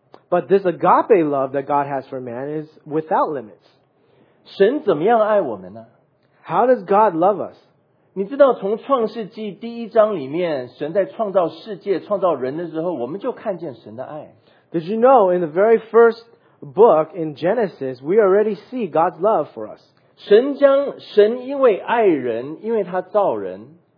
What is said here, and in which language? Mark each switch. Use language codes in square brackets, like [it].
[en] But this agape love that God has for man is without limits. [zh] 神怎么样爱我们呢? [en] How does God love us? [zh] 你知道从创世纪第一章里面,神在创造世界,创造人的时候,我们就看见神的爱。 [en] Did you know in the very first book in Genesis, we already see God's love for us? [zh] 神因为爱人,因为他造人。